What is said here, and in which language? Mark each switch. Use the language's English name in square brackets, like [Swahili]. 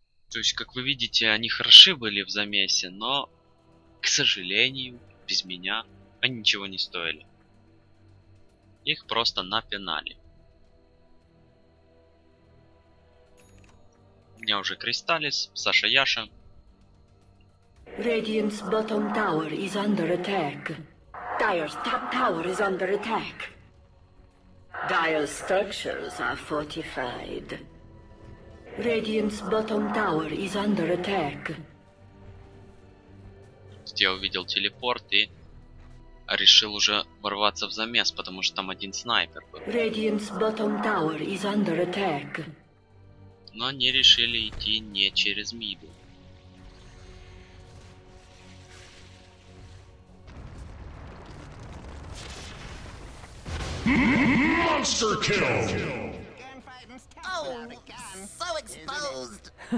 [Russian] То есть, как вы видите, они хороши были в замесе, но, к сожалению, без меня они ничего не стоили. Их просто напинали. У меня уже Кристаллис, Саша Яша. [English] Radiant's bottom tower is under attack. Dire's top tower is under attack. Dire's structures are fortified. Radiant's bottom tower is under attack. [Russian] Тут я увидел телепорт и решил уже ворваться в замес, потому что там один снайпер был. [English] Radiant's bottom tower is under attack. [Russian] Но они решили идти не через миду. [English] Monster kill! Oh, so exposed.